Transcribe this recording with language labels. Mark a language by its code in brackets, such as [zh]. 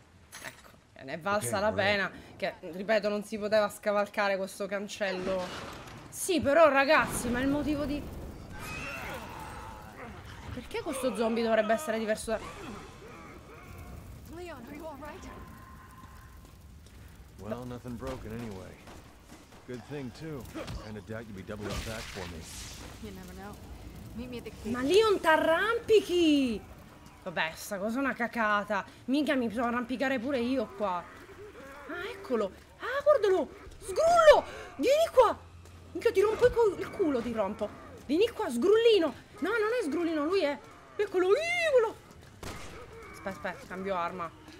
[it] Ecco, ne è valsa Ok, la [en] we're in. [it] pena. Che, ripeto, non si poteva scavalcare questo cancello. Sì, però, ragazzi, ma il motivo di. Perché questo zombie dovrebbe essere diverso da. [en] Leon, are you all right? Well, nothing broken anyway. Good thing too. Kinda doubt you'd be double up back for me. You never know. Meet me at the [it] Ma Leon, t'arrampichi! Vabbè, sta cosa è una cacata. Mica mi sono arrampicare pure io qua. Ah, eccolo! Ah, guardalo! Sgrullo! Vieni qua! Io ti rompo il culo, ti rompo! Vieni qua, sgrullino! No, non è sgrullino, lui è. Eccolo, io! Aspetta, cambio arma.